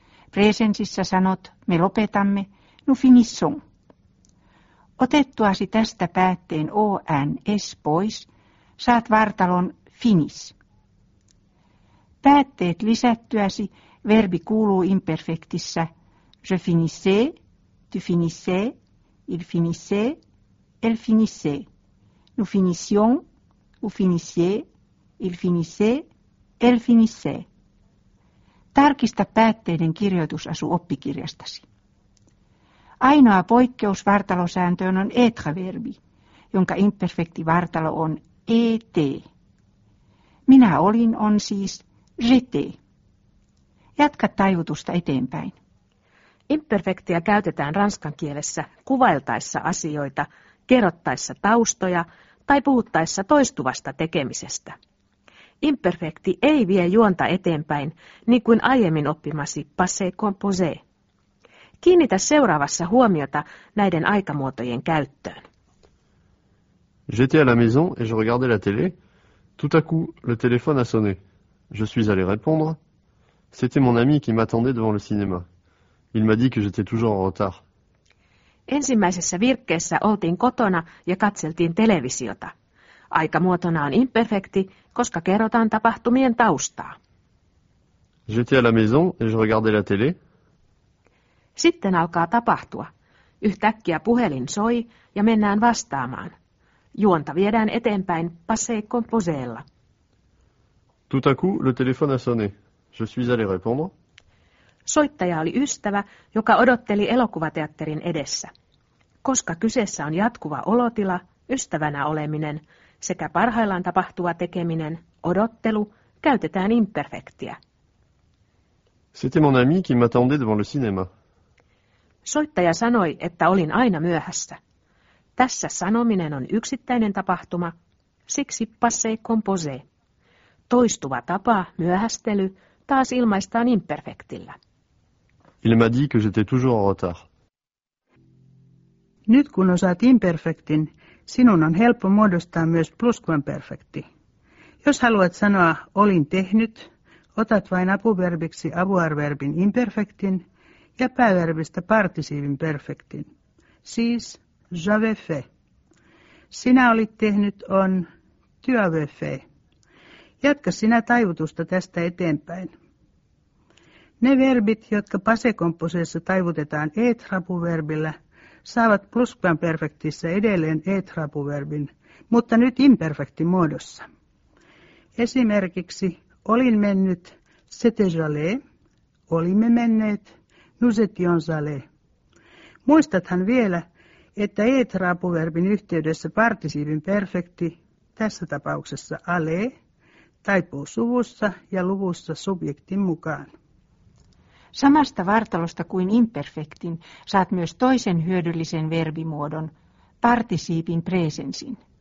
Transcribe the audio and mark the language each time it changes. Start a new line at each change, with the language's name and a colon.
Finnish: Presensissä sanot, me lopetamme,
French: nous finissons.
Finnish: Otettuasi tästä päätteen ONS pois, saat vartalon finis. Päätteet lisättyäsi verbi kuuluu imperfektissä.
French: Je finissais, tu finissais, il finissait, elle finissait. Nous finissions, vous finissiez, il finissait, elle finissait.
Finnish: Tarkista päätteiden kirjoitusasu oppikirjastasi. Ainoa poikkeus vartalosääntöön on etre-verbi, jonka imperfekti vartalo on et. Minä olin on siis
French: j'étais.
Finnish: Jatka taivutusta eteenpäin. Imperfektiä käytetään ranskan kielessä kuvailtaessa asioita, kerrottaessa taustoja tai puhuttaessa toistuvasta tekemisestä. Imperfekti ei vie juonta eteenpäin, niin kuin aiemmin oppimasi passé composé. Kiinnitä seuraavassa huomiota näiden aikamuotojen käyttöön.
French: J'étais à la maison et je regardais la télé. Tout à coup, le téléphone a sonné. Je suis allé répondre. C'était mon ami qui m'attendait devant le cinéma. Il m'a dit que j'étais toujours en retard.
Finnish: Ensimmäisessä virkkeessä oltiin kotona ja katseltiin televisiota. Aikamuotona on imperfekti, koska kerrotaan tapahtumien taustaa.
French: J'étais à la maison et je regardais la télé.
Finnish: Sitten alkaa tapahtua. Yhtäkkiä puhelin soi ja mennään vastaamaan. Juonta viedään eteenpäin passé composéella.
French: Tout à coup, le téléphone a sonné. Je suis allé répondre.
Finnish: Soittaja oli ystävä, joka odotteli elokuvateatterin edessä. Koska kyseessä on jatkuva olotila, ystävänä oleminen sekä parhaillaan tapahtuva tekeminen, odottelu, käytetään imperfektiä.
French: C'était mon ami qui m'attendait devant le cinéma.
Finnish: Soittaja sanoi, että olin aina myöhässä. Tässä sanominen on yksittäinen tapahtuma, siksi passé composé. Toistuva tapa, myöhästely, taas ilmaistaan imperfektillä.
French: Il m'a dit que j'étais toujours en retard.
Finnish: Nyt kun osaat imperfektin, sinun on helppo muodostaa myös pluskvamperfekti. Jos haluat sanoa olin tehnyt, otat vain apuverbiksi avuarverbin imperfektin ja pääverbistä partisiivin perfektin. Siis
French: j'avais fait.
Finnish: Sinä olit tehnyt on
French: tu avais fait.
Finnish: Jatka sinä taivutusta tästä eteenpäin. Ne verbit, jotka passé-composéssa taivutetaan être-apuverbillä, saavat pluskvamperfektissä edelleen être-apuverbin, mutta nyt imperfekti muodossa. Esimerkiksi olin mennyt,
French: c'était j'allé,
Finnish: olimme menneet,
French: nous étions allé.
Finnish: Muistathan vielä, että être-apuverbin yhteydessä partisiivin perfekti, tässä tapauksessa allé, taipuu suvussa ja luvussa subjektin mukaan. Samasta vartalosta kuin imperfektin saat myös toisen hyödyllisen verbimuodon, partisiipin presensin.